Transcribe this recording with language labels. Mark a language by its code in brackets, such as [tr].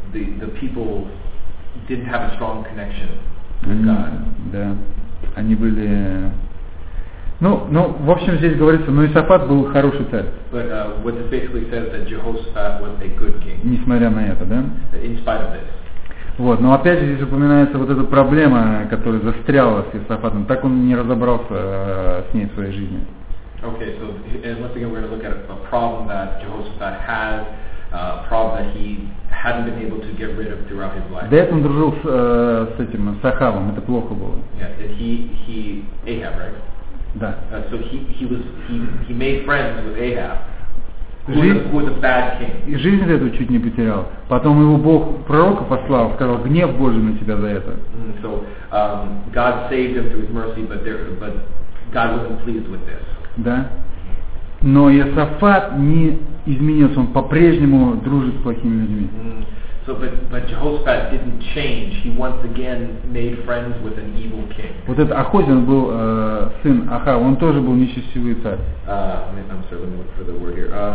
[en] The people didn't have a strong connection. [ru] Да, они были. Ну, в общем, здесь говорится, но Иосафат был хороший царь. [en] But what this basically says is that Jehoshaphat was a good king. [ru] Несмотря на это, да? [en] In spite of this. [ru] Вот, но опять же здесь упоминается вот эта проблема, которая застряла с Иосафатом. Так он не разобрался с ней в своей жизни. [en] Okay, so once again we're going to look at a problem that Jehoshaphat has, a problem that he hadn't been able to get rid of throughout his life. [ru] Да, он дружил с этим с Ахавом, это плохо было. [en] Yeah, he Ahab, right? [ru] Да. [en] So he made friends with Ahab, who was a bad king. [ru] И жизнь за это чуть не потерял. Потом его Бог пророка послал, сказал: гнев Божий на тебя за это. [en] So God saved him through his mercy, but God wasn't pleased with this. [ru] Да. Но Иосафат не изменился, он по-прежнему дружит с плохими людьми. [en] So, but Jehoshaphat didn't change. He once again made friends with an evil king. [ru] Вот этот Ахозин был сын Ахава, он тоже был нечестивый царь. [en] I'm sorry, let me look for the word here.